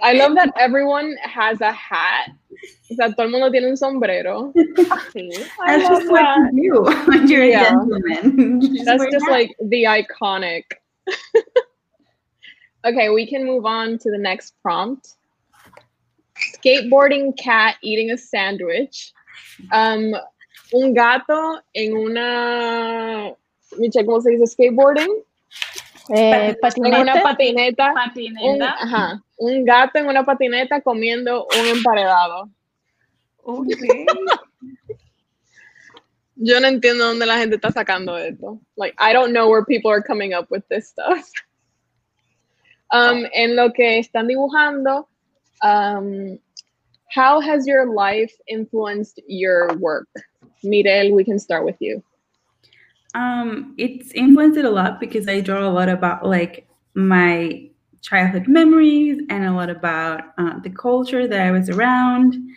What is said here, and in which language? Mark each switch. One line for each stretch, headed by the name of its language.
English: I love that everyone has a hat.
Spanish: O sea, todo el mundo tiene un sombrero. Sí.
English: That's just what you do when you're a gentleman. That's just like the iconic. Okay, we can move on to the next prompt. Skateboarding cat eating a sandwich.
Spanish: Un gato en una... Michelle, ¿cómo se dice skateboarding? Patineta. Ajá. Un gato en una patineta comiendo un emparedado. Okay. Yo no entiendo dónde la gente está sacando esto.
English: Like, I don't know where people are coming up with this stuff.
Spanish: En lo que están dibujando,
English: how has your life influenced your work? Mirel, we can start with you. It's influenced it a lot because I draw a lot about like my childhood memories and a lot about the culture that I was around.